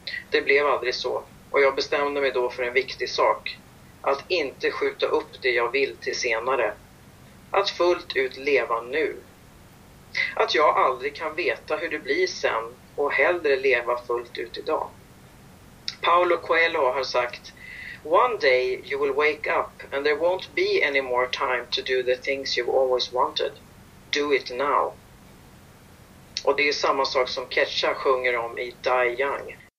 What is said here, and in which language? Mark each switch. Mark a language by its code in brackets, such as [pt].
[sv] Det blev aldrig så och jag bestämde mig då för en viktig sak. Att inte skjuta upp det jag vill till senare. Att fullt ut leva nu. Att jag aldrig kan veta hur det blir sen och hellre leva fullt ut idag. [en] Paulo Coelho [sv] har sagt: [en] One day you will wake up and there won't be any more time to do the things you've always wanted. Do it now. [sv] Och det är samma sak som Ketcha sjunger om i Die Young.